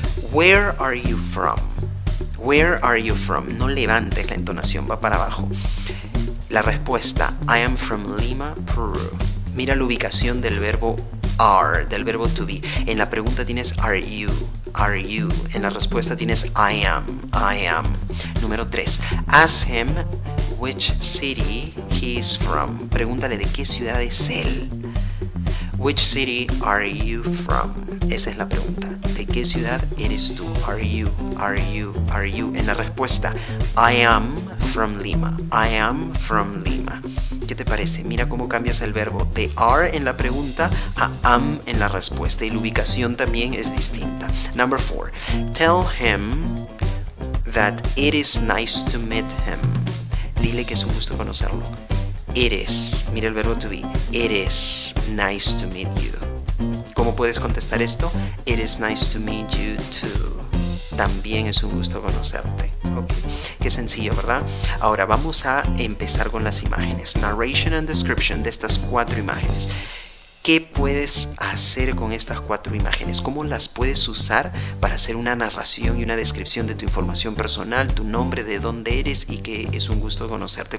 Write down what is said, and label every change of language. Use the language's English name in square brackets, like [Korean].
[English] Where are you from? Where are you from? [Spanish] No levantes la entonación, va para abajo. La respuesta, [English] I am from Lima, Peru. [Spanish] Mira la ubicación del verbo are, del verbo to be. En la pregunta tienes are you, en la respuesta tienes I am. Número 3, [English] ask him which city he is from. [Spanish] Pregúntale de qué ciudad es él. [English] Which city are you from? [Spanish] Esa es la pregunta. ¿De qué ciudad eres tú? [English] Are you? Are you? Are you? [Spanish] En la respuesta, [English] I am from Lima. I am from Lima. [Spanish] ¿Qué te parece? Mira cómo cambias el verbo de are en la pregunta a am en la respuesta. Y la ubicación también es distinta. [English] Number 4. Tell him that it is nice to meet him. Dile que es un gusto conocerlo. It is. Mira el verbo to be. It is nice to meet you. [Spanish] ¿Cómo puedes contestar esto? [English] It is nice to meet you too. [Spanish] También es un gusto conocerte. Okay. Qué sencillo, ¿verdad? Ahora vamos a empezar con las imágenes. [English] Narration and description [Spanish] de estas cuatro imágenes. ¿Qué puedes hacer con estas cuatro imágenes? ¿Cómo las puedes usar para hacer una narración y una descripción de tu información personal, tu nombre, de dónde eres y que es un gusto conocerte?